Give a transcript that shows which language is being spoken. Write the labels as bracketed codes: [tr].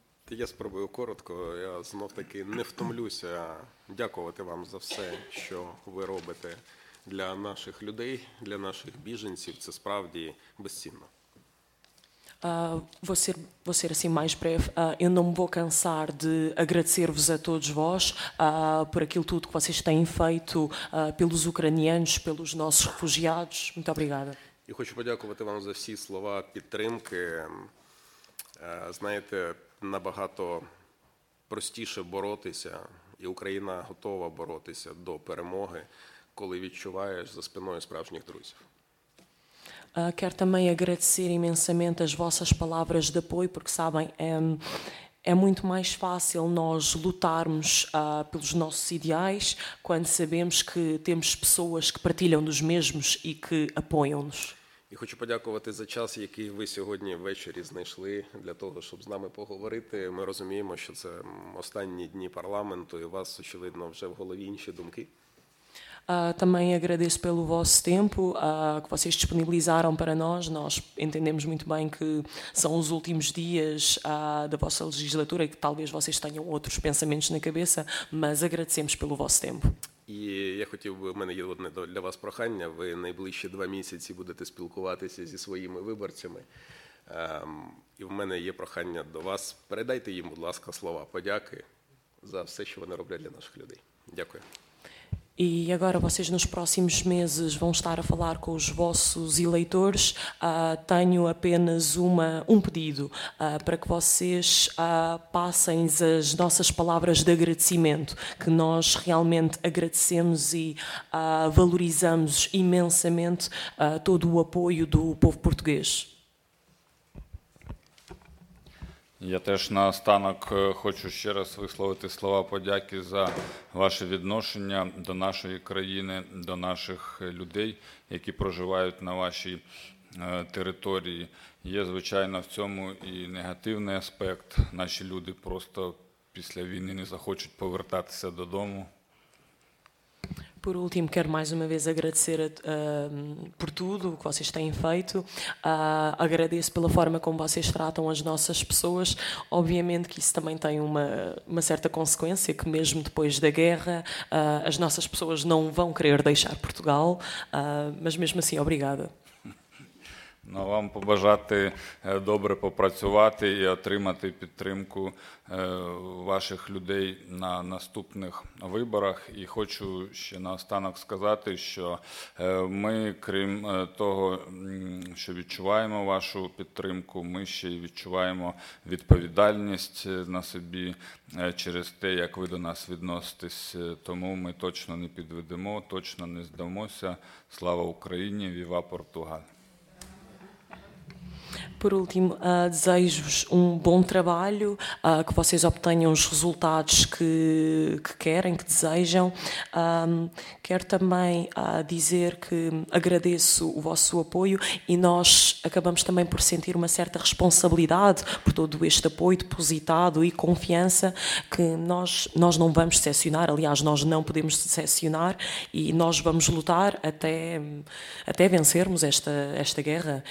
[uk] Я спробую коротко, я знов-таки не втомлюся дякувати вам за все, що ви робите для наших людей, для наших біженців, це справді безцінно. [pt] Vou ser assim mais breve. Eu não me vou cansar de agradecer-vos a todos vós por aquilo tudo que vocês têm feito pelos ucranianos, pelos nossos refugiados. Muito obrigada. Eu quero agradecer-vos a todos os seus palavras de [uk] підтримки. Знаєте, набагато простіше боротися, і Україна готова боротися до перемоги, коли відчуваєш за спиною справжніх друзів. [pt] Quero também agradecer imensamente as vossas palavras de apoio, porque sabem, é muito mais fácil nós lutarmos pelos nossos ideais quando sabemos que temos pessoas que partilham dos mesmos e que apoiam-nos. [uk] E хочу подякувати за час, який ви сьогодні ввечері знайшли для того, щоб з нами поговорити. Ми розуміємо, що це останні дні парламенту, і у вас, очевидно, вже в голові інші думки. [pt] Também agradeço pelo vosso tempo que vocês disponibilizaram para nós. Nós entendemos muito bem que são os últimos dias da vossa legislatura e que talvez vocês tenham outros pensamentos na cabeça, mas agradecemos pelo vosso tempo. E eu [uk] хотів би, у мене є одне для вас прохання. Ви найближчі два місяці будете спілкуватися зі своїми виборцями. І в мене є прохання до вас. Передайте їм, будь ласка, слова подяки за все, що вони роблять для наших людей. Дякую. [pt] E agora vocês nos próximos meses vão estar a falar com os vossos eleitores. Tenho apenas um pedido para que vocês passem as nossas palavras de agradecimento, que nós realmente agradecemos e valorizamos imensamente todo o apoio do povo português. [uk] Я теж наостанок хочу ще раз висловити слова подяки за ваше відношення до нашої країни, до наших людей, які проживають на вашій території. Є, звичайно, в цьому і негативний аспект. Наші люди просто після війни не захочуть повертатися додому. [pt] Por último, quero mais uma vez agradecer por tudo o que vocês têm feito. Agradeço pela forma como vocês tratam as nossas pessoas. Obviamente que isso também tem uma certa consequência, que mesmo depois da guerra, as nossas pessoas não vão querer deixar Portugal. Mas mesmo assim, obrigada. [uk] Ну, вам побажати добре попрацювати і отримати підтримку ваших людей на наступних виборах. І хочу ще наостанок сказати, що ми, крім того, що відчуваємо вашу підтримку, ми ще й відчуваємо відповідальність на собі через те, як ви до нас відноситесь. Тому ми точно не підведемо, точно не здамося. Слава Україні! Віва Португаль! [pt] Por último, desejo-vos um bom trabalho, que vocês obtenham os resultados que querem, que desejam. Quero também dizer que agradeço o vosso apoio e nós acabamos também por sentir uma certa responsabilidade por todo este apoio depositado e confiança que nós não vamos decepcionar, aliás, nós não podemos decepcionar e nós vamos lutar até vencermos esta guerra.